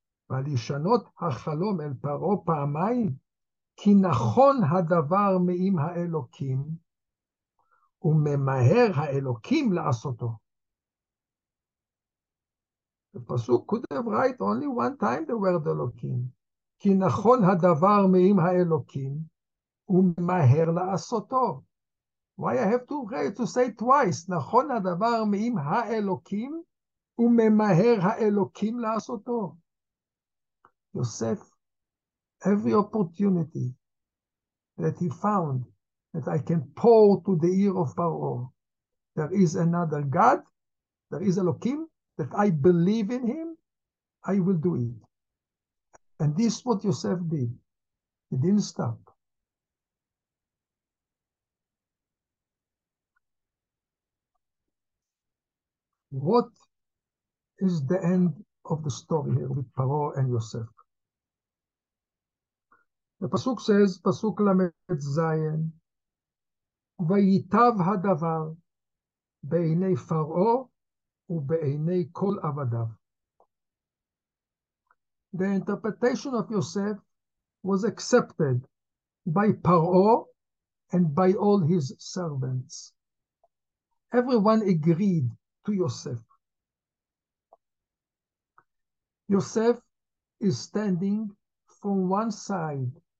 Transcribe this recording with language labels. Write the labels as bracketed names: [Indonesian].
[Hebrew] Well, hishanot hachalom el paro pa'amayim. Ki nachon hadavar me'im ha'elokim. וממהר האלוקים לעשותו. [English] The pasuk could have write only one time the word Elokim. [Hebrew] כי נכון הדבר מעם האלוקים, וממהר לעשותו. [English] Why I have to say twice, [Hebrew] נכון הדבר מעם האלוקים, וממהר האלוקים לעשותו. [English] Yosef, every opportunity that he found, that I can pour to the ear of Paro. There is another God, there is Elohim, that I believe in him, I will do it. And this is what Yosef did. He didn't stop. What is the end of the story here with Paro and Yosef? [Hebrew] הפסוק [English] says, [Hebrew] פסוק למד זיין, ויטב הדבר בעיני פרעו ובעיני כל עבדיו. [English] The interpretation of Yosef was accepted by פרעו and by all his servants. Everyone agreed to Yosef. Yosef is standing from one side.